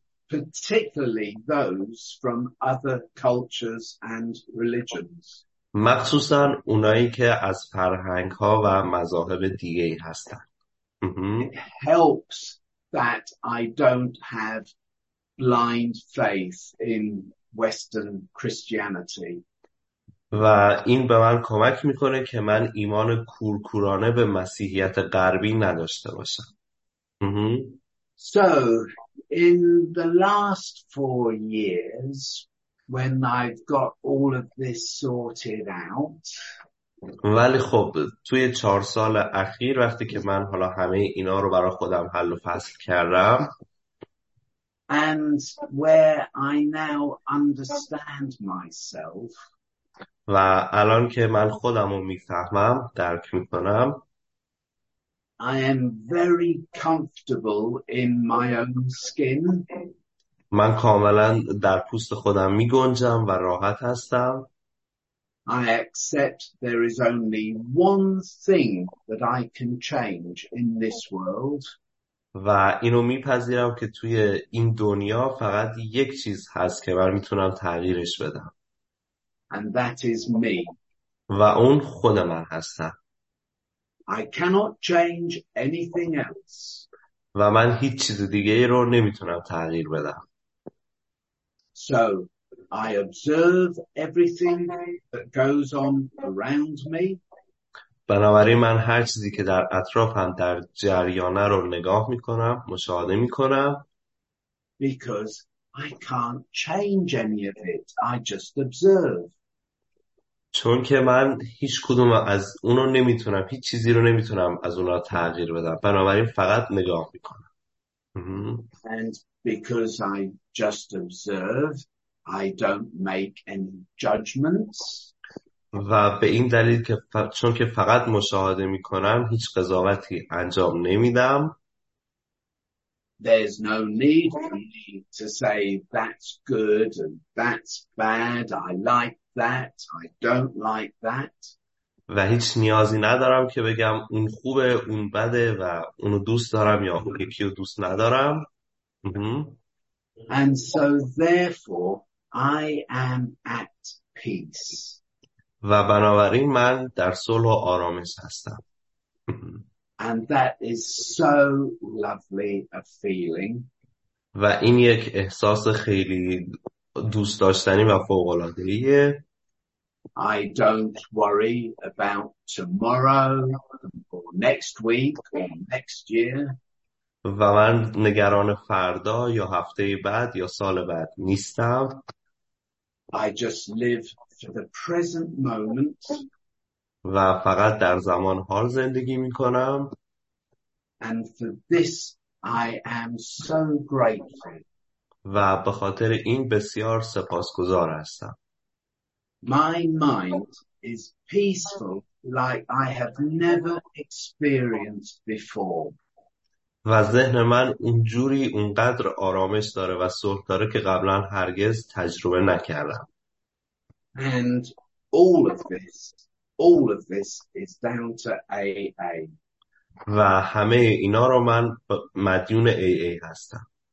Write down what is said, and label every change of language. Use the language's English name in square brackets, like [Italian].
[English] Particularly those from other cultures and religions. [Persian] مخصوصا اونایی که از فرهنگ ها و مذاهب دیگه هستن. [English] It helps that I don't have blind faith in Western Christianity. [Persian] و این به من کمک میکنه که من ایمان کورکورانه به مسیحیت غربی نداشته باشم. [English] So, in the last 4 years, when I've got all of this sorted out, [Persian] ولی خب توی 4 سال اخیر وقتی که من حالا همه اینا رو برای خودم حل و فصل کردم [English] and where I now understand myself, [Persian] و الان که من خودم رو میفهمم، درک میکنم، [English] I am very comfortable in my own skin. [Persian] من کاملا در پوست خودم میگنجم و راحت هستم. [English] I accept there is only one thing that I can change in this world. [Persian] و اینو میپذیرم که توی این دنیا فقط یک چیز هست که من میتونم تغییرش بدم. [English] And that is me. [Persian] و اون خود من هستم. [English] I cannot change anything else. [Persian] و من هیچ چیز دیگه رو نمیتونم تغییر بدم. [English] So, I observe everything that goes on around me. [Persian] بنابراین من هر چیزی که در اطرافم در جریانه رو نگاه میکنم، مشاهده میکنم. [English] Because I can't change any of it. I just observe. [Persian] چون که من هیچ کدوم از اونو نمیتونم، هیچ چیزی رو نمیتونم از اونا تغییر بدم. بنابراین فقط نگاه میکنم. [English] And because I just observe, I don't make any judgments. [Persian] و به این دلیل که چون که فقط مشاهده میکنم، هیچ قضاوتی انجام نمیدم. [English] There's no need for me to say that's good and that's bad. I like that. I don't like that. [Persian] و هیچ نیازی ندارم که بگم اون خوبه، اون بده و اونو دوست دارم یا یکی رو دوست ندارم. [English] And so therefore I am at peace. [Persian] و بنابراین من در صلح و آرامش هستم. [English] And that is so lovely a feeling. [Persian] و این یک احساس خیلی دوست داشتنی و فوق‌العاده‌ایه. [English] I don't worry about tomorrow or next week or next year. [Persian] و من نگران فردا یا هفته بعد یا سال بعد نیستم. [English] I just live for the present moment. [Persian] و فقط در زمان حال زندگی می کنم. [English] And for this I am so grateful. [Persian] و به خاطر این بسیار سپاسگزار هستم. [English] My mind is peaceful like I have never experienced before. [Persian] و ذهن من اونجوری اونقدر آرامش داره و صلح داره که قبلا هرگز تجربه نکردم. [English] And all of this is down to AA. [Persian] و همه اینا رو من مدیون AA هستم.